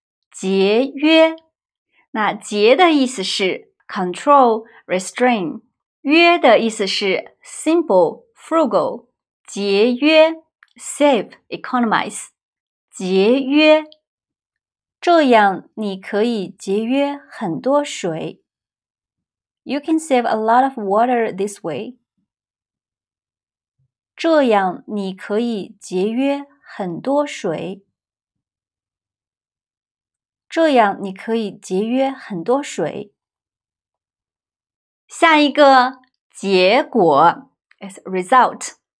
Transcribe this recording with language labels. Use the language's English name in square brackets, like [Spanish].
[Chinese] 节约。那节的意思是 control, restrain. 约的意思是 simple, frugal, 节约 save, economize, 节约。这样你可以节约很多水。 [English] You can save a lot of water this way. [Chinese] 这样你可以节约很多水。这样你可以节约很多水。下一个。结果 is result.